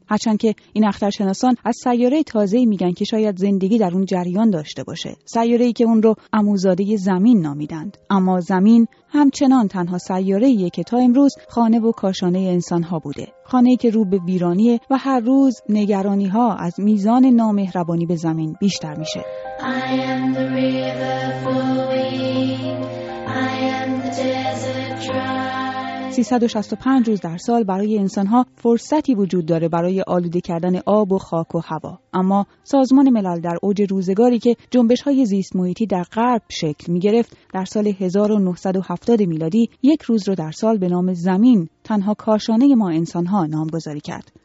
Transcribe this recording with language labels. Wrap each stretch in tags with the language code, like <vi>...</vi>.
<fa>هرچند که این اخترشناسان از سیاره تازه‌ای میگن که شاید زندگی در اون جریان داشته باشه. سیاره‌ای که اون رو عموزاده زمین نامیدند. اما زمین همچنان تنها سیاره‌ایه که تا امروز خانه و کاشانه انسان‌ها بوده. خانه‌ای که رو به ویرانیه و هر روز نگرانی‌ها از میزان نامهربانی به زمین بیشتر میشه.</fa> <en>I am the river flowing, I am the desert dry.</en> <fa>365 روز در سال برای انسان‌ها فرصتی وجود داره برای آلوده کردن آب و خاک و هوا. اما سازمان ملل در اوج روزگاری که جنبش‌های زیست محیطی در غرب شکل می‌گرفت، در سال 1970 میلادی یک روز رو در سال به نام زمین، تنها کاشانه ما انسان‌ها، نامگذاری کرد.</fa>